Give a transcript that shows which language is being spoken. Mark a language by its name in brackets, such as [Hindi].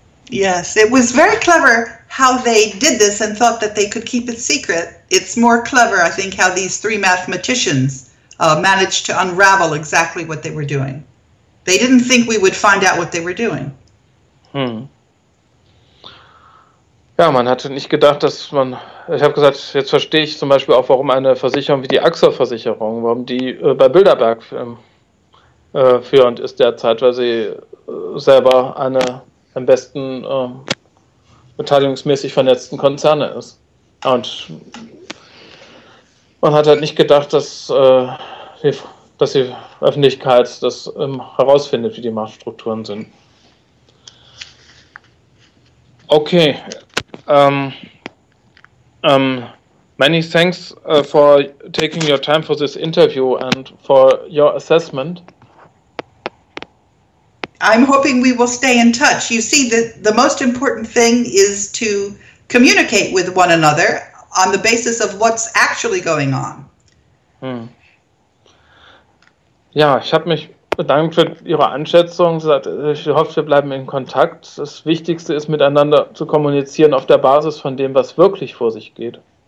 [English] Yes, it was very clever how they did this and thought that they could keep it secret. It's more clever, I think, how these three mathematicians managed to unravel exactly what they were doing. They didn't think we would find out what they were doing. [German] Ja, man hatte nicht gedacht, dass man, ich habe gesagt, jetzt verstehe ich zum Beispiel auch, warum eine Versicherung wie die AXA-Versicherung, warum die bei Bilderberg führend ist derzeit, weil sie selber eine am besten beteiligungsmäßig vernetzten Konzerne ist. Und man hat halt nicht gedacht, dass die Öffentlichkeit das herausfindet, wie die Machtstrukturen sind. [English] Okay. Many thanks for taking your time for this interview and for your assessment. I'm hoping we will stay in touch. You see, the most important thing is to communicate with one another on the basis of what's actually going on. [German] Ja, ich habe mich bedankt für Ihre Einschätzung. Sie sagt, ich hoffe, wir bleiben in Kontakt. Das Wichtigste ist, miteinander zu kommunizieren auf der Basis von dem, was wirklich vor sich geht.